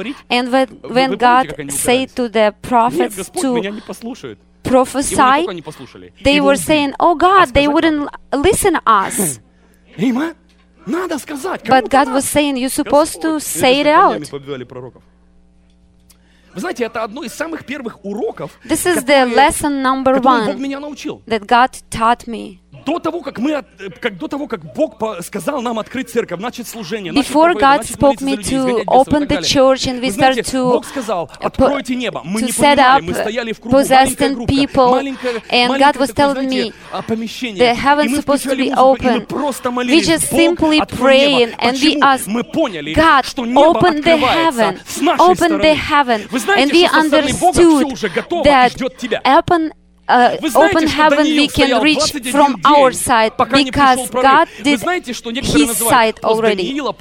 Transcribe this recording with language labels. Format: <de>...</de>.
<en>And when God said to the prophets to prophesy, they were saying, oh God, they wouldn't listen to us. But God was saying, you're supposed to say it out.</en> <ru>Вы знаете, это одно из самых первых уроков, который Бог меня научил.</ru> <en>That God taught me.</en> <ru>До того, как Бог сказал нам открыть церковь, начать служение,</ru> <en>before God spoke me to open the church and we start to</en> <ru>Бог сказал, откройте небо. Мы не понимали, мы стояли в кругу маленькая группа,</ru> <en>and God was telling me the heavens supposed to be open. We just simply praying and we asked,</en> <ru>мы поняли,</ru> <en>God, open the heaven, open the heaven, and we understood that open open heaven we can reach from our side because God did His side already.</en>